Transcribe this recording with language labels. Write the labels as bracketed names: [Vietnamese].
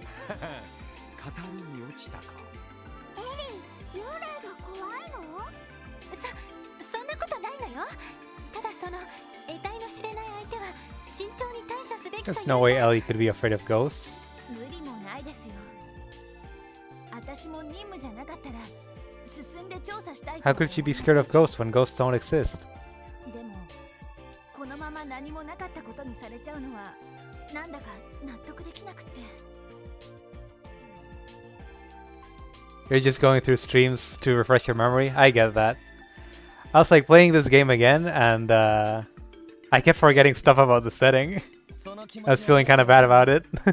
[Japanese] 片に落ちたか。エリー、幽霊が怖いの？そんなことないのよ。ただその得体の知れない相手は慎重に対処すべきという。 [English] There's no way Ellie could be afraid of ghosts. [Japanese] 無理もないですよ。私も任務じゃなかったら進んで調査したい。 [English] How could she be scared of ghosts when ghosts don't exist? [Japanese] でもこのまま何もなかったことにされちゃうのはなんだか納得できなくて。 [English] You're just going through streams to refresh your memory. I get that. I was like playing this game again, and I kept forgetting stuff about the setting. I was feeling kind of bad about it.